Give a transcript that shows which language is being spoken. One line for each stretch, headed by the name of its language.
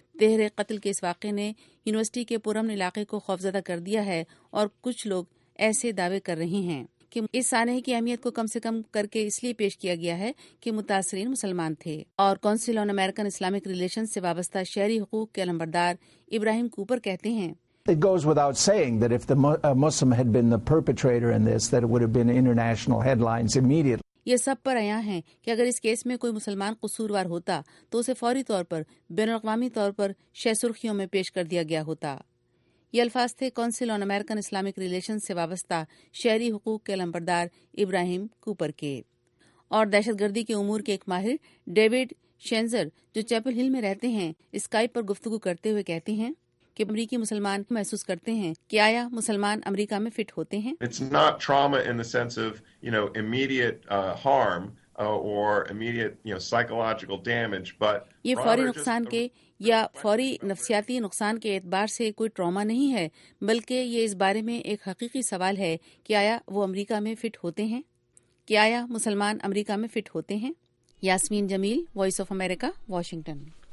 Urdu: تہرے قتل کے اس واقعے نے یونیورسٹی کے پرامن علاقے کو خوفزدہ کر دیا ہے, اور کچھ لوگ ایسے دعوے کر رہے ہیں کہ اس سانحے کی اہمیت کو کم سے کم کر کے اس لیے پیش کیا گیا ہے کہ متاثرین مسلمان تھے. اور کونسل آن امریکن اسلامک ریلیشنز سے وابستہ شہری حقوق کے علمبردار ابراہیم کوپر کہتے ہیں,
English: It goes without saying that if the Muslim had been the perpetrator in this, that it would have been international headlines immediately.
Urdu: یہ سب پر آیا ہے کہ اگر اس کیس میں کوئی مسلمان قصوروار ہوتا تو اسے فوری طور پر بین الاقوامی طور پر شہ سرخیوں میں پیش کر دیا گیا ہوتا. یہ الفاظ تھے کونسل آن امریکن اسلامک ریلیشنز سے وابستہ شہری حقوق کے علمبردار ابراہیم کوپر کے. اور دہشت گردی کے امور کے ایک ماہر ڈیوڈ شینزر, جو چیپل ہل میں رہتے ہیں, اسکائپ پر گفتگو کرتے ہوئے کہتے ہیں کہ امریکی مسلمان محسوس کرتے ہیں کہ آیا مسلمان امریکہ میں فٹ ہوتے ہیں.
English: It's not trauma in the sense of, you know, immediate harm. or immediate, you know, psychological damage, but
Urdu: یہ فوری نقصان کے یا فوری نفسیاتی نقصان کے اعتبار سے کوئی ٹراما نہیں ہے بلکہ یہ اس بارے میں ایک حقیقی سوال ہے کہ آیا وہ امریکہ میں فٹ ہوتے ہیں کہ آیا مسلمان امریکہ میں فٹ ہوتے ہیں یاسمین جمیل وائس آف امریکہ واشنگٹن